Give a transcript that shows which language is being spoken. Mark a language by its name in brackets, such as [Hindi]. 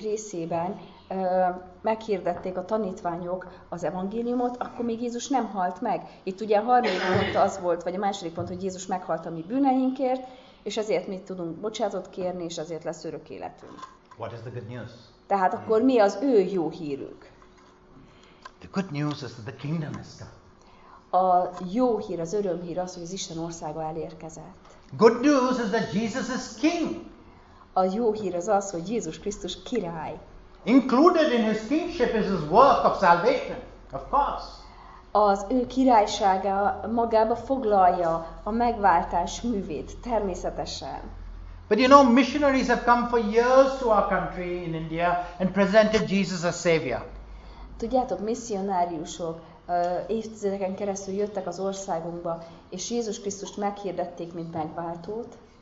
[Hungarian] részében meghirdették a tanítványok az evangéliumot, akkor még Jézus nem halt meg. Itt ugye a harmadik pont az volt, vagy a második pont, hogy Jézus meghalt a mi bűneinkért, és ezért mi tudunk bocsánatot kérni, és ezért lesz örök életünk. [English] What is the good news? [Hungarian] Tehát akkor mi az ő jó hírünk? [English] The good news is that the kingdom has come. [Hungarian] A jó hír, az örömhír az, hogy az Isten országa elérkezett. [English] Good news is that Jesus is king. [Hungarian] A jó hír az az, hogy Jézus Krisztus király. [English] Included in his kingship is his work of salvation, of course. [Hungarian] Az ő királysága magába foglalja a megváltás művét, természetesen. [English] But you know, missionaries have come for years to our country in India and presented Jesus as savior. [Hungarian] Tudjátok, misszionáriusok évtizedeken keresztül jöttek az országunkba, és Jézus Krisztust meghirdették, mint megváltót.